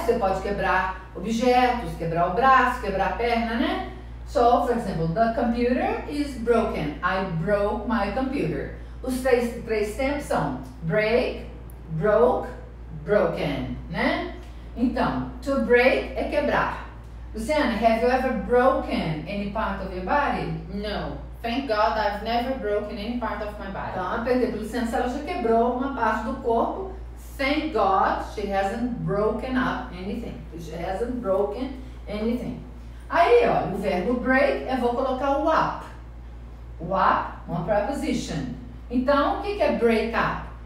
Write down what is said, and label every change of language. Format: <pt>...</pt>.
<pt>Você pode quebrar objetos, quebrar o braço, quebrar a perna, né?</pt> <en>So, for example, the computer is broken. I broke my computer.</en> <pt>Os três tempos são break, broke, broken, né? Então, to break é quebrar.</pt> <en>Luciana, have you ever broken any part of your body? No. Thank God I've never broken any part of my body.</en> <pt>Então, por exemplo, Luciana, se ela já quebrou uma parte do corpo,</pt> <en>thank God she hasn't broken up anything. She hasn't broken anything.</en> <pt>Aí, ó, o verbo break, eu vou colocar o up. Up, uma preposition. Então, o que é break up?</pt>